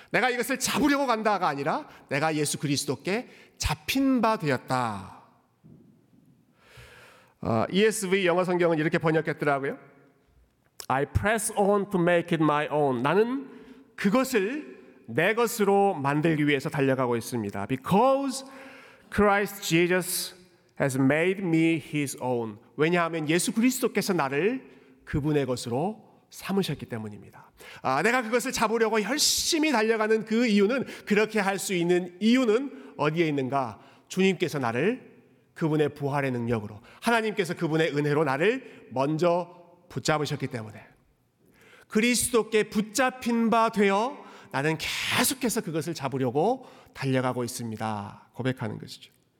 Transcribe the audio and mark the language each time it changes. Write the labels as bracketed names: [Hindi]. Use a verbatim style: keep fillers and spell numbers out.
[Korean] 내가 이것을 잡으려고 간다가 아니라 내가 예수 그리스도께 잡힌 바 되었다. 어, 이에스브이 영어 성경은 이렇게 번역했더라고요. [English] I press on to make it my own. [Korean] 나는 그것을 내 것으로 만들기 위해서 달려가고 있습니다. [English] Because Christ Jesus has made me his own. [Korean] 왜냐하면 예수 그리스도께서 나를 그분의 것으로 삼으셨기 때문입니다. 아, 내가 그것을 잡으려고 열심히 달려가는 그 이유는, 그렇게 할 수 있는 이유는 어디에 있는가? 주님께서 나를 그분의 부활의 능력으로, 하나님께서 그분의 은혜로 나를 먼저 붙잡으셨기 때문에, 그리스도께 붙잡힌 바 되어 나는 계속해서 그것을 잡으려고 달려가고 있습니다 고백하는 것이죠.